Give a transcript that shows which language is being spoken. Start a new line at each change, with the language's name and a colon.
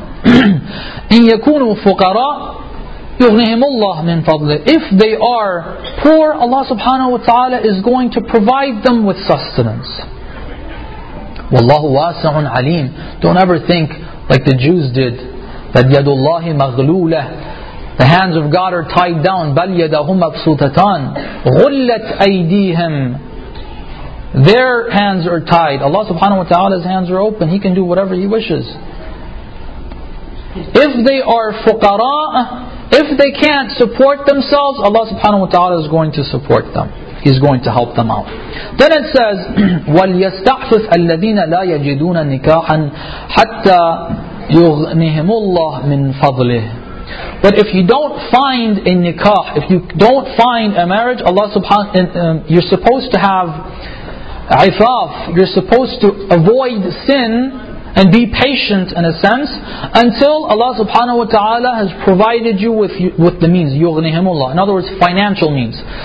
Arabic: إِنْ يَكُونُوا فُقَرَاءَ يُغْنِهِمُ اللَّهُ مِنْ فَضْلِهِ.
English: If they are poor, Allah subhanahu wa ta'ala is going to provide them with sustenance.
Arabic: وَاللَّهُ وَاسِعٌ عَلِيمٌ.
English: Don't ever think like the Jews did, that يَدُ اللَّهِ مَغْلُولَةٌ, the hands of God are tied down.
Arabic: بَلْ يَدَهُمْ أَبْسُوتَتَانٌ غُلَّتْ أَيْدِيهِمْ, their hands are tied.
English: Allah subhanahu wa ta'ala's hands are open. He can do whatever He wishes. If they are fuqara, if they can't support themselves, Allah subhanahu wa ta'ala is going to support them. He's going to help them out.
Arabic: Then it says, وَلْيَسْتَعْفِفْ الَّذِينَ لَا يَجِدُونَ نِكَاحًا حَتَّى يُغْنِهِمُ اللَّهُ مِنْ فَضْلِهِ.
English: But if you don't find a nikah, if you don't find a marriage, Allah subhanahu, you're supposed to have عفاف, you're supposed to avoid sin and be patient in a sense until Allah subhanahu wa ta'ala has provided you with the means, يُغْنِهِمُ اللَّهِ, in other words, financial means.